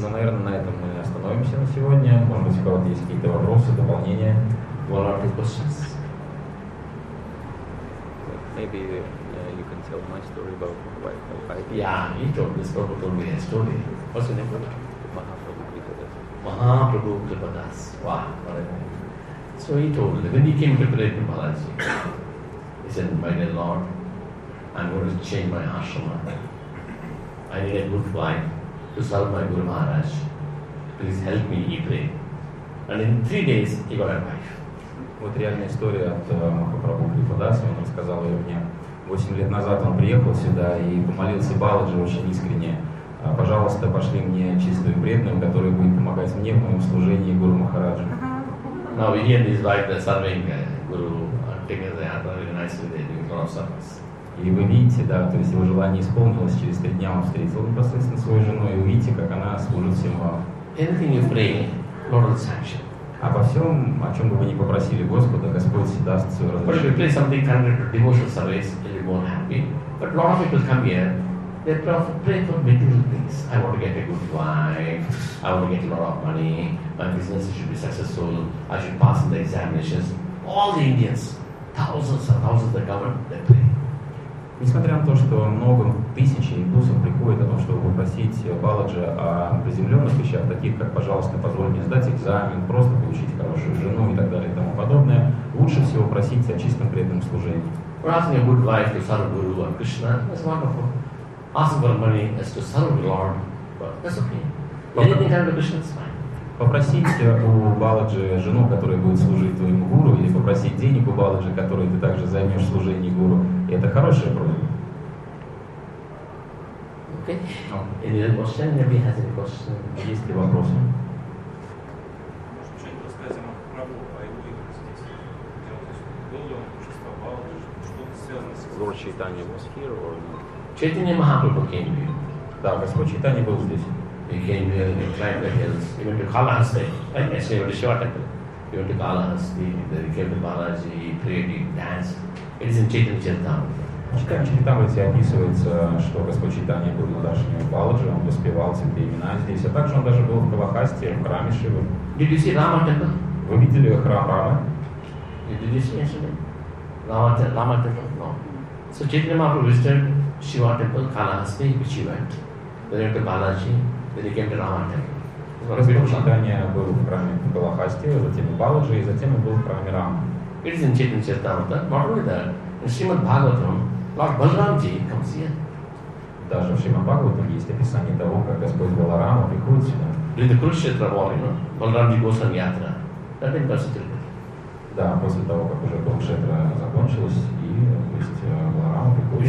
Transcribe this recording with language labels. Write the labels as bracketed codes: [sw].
[ru] Ну, наверное, на этом мы остановимся на сегодня. Может быть, у кого-то есть какие-то вопросы, дополнения. [en] What are the questions? Maybe you can tell my story about my wife. Yeah, he told me a story. What's your name? Mahaprabhu Kripadas. Mahaprabhu Kripadas. Wow. So he told me, when he came to pray to Balaji, he said, my dear Lord, I'm going to change my ashrama. I need a good wife to serve my Guru Maharaj. Please help me, he prayed. And in 3 days, he got a wife. [ru] Вот реальная история от Махапрабху Крипадаса, он рассказал ее мне. 8 лет назад он приехал сюда и помолился Баладжи очень искренне. Пожалуйста, пошли мне чистую преданную, которая будет помогать мне в моем служении Гуру Махараджу. [en] Now he and his wife, the serving Guru, taking the hand very nicely, they're doing a lot of service. [ru] И вы видите, да, то есть его желание исполнилось, через 3 дня он встретил непосредственно свою жену, и увидите, как она служит всем вам. [en] Anything you pray, Lord will sanction. [ru] Обо всем, о чем бы вы ни попросили Господа, Господь даст свое разрешение. [en] But if you pray something kind of devotional service, you'll be more happy. But a lot of people come here, they pray for material things. I want to get a good wife, I want to get a lot of money, my business should be successful, I should pass the examinations. All the Indians, thousands and thousands of the government, they pray. [ru] Несмотря на то, что много тысяч индусов приходит о том, чтобы попросить Баладжи о приземленных вещах, таких как, пожалуйста, позволь мне сдать экзамен, просто получить хорошую жену и так далее и тому подобное, лучше всего просить о чистом преданном служении. [en] Asking a good wife to serve Guru and Krishna, that's wonderful. Asking for money is to serve Lord, but that's okay. Anything kind of Krishna is fine. [ru] Попросить у Баладжи жену, которая будет служить твоему гуру, или попросить денег у Баладжи, который ты также займешь в служении гуру, это хорошая просьба. [en] Okay. Any other question? Maybe has any question? [ru] Есть ли вопросы? Что-нибудь рассказываем о Махапрабху, о его здесь? Был ли он участвовал в Баладжи? Что-то связано с... [en] Lord Chaitanya was here or not? Chaitanya Mahaprabhu came here. [ru] Да, Господь Chaitanya был здесь. [en] He came here and he climbed the hills. He went to Kalahasti. Yes, he went to Shiva temple. He went to Kalahasti. Then he came to Balaji. He prayed. He danced. It is in Chaitanya Charitamrita. [ru] В Чайтанья-чаритамрите описывается, что Господь Чайтанья был на даршане у Баладжи. Он воспевал святые имена здесь. А также он даже был в Калахасти, в храме Шивы. [en] Did you see Rama temple? [ru] Вы видели храм Рамы? [en] Did you see yesterday? Rama temple? No. So Chaitanya Mahaprabhu visited Shiva temple, Kalahasti, which he went. Then he went to Balaji. [ru] Господь Чайтанья был в храме Калахасти, затем в Баладжи, и затем он был в храме Рама. [en] It is in Chaitanya Charitamrita. Not only that, in Srimad Bhagavatam, Lord Balaramji comes here. [ru] Даже в Шримад Бхагаватам есть описание того, как Господь Баларама приходит сюда. [en] In the Kurukshetra war, you know, Balaramji goes on yatra. That in Kurukshetra. [ru] Да, после того, как уже Kurukshetra закончилось, и есть Баларама приходит.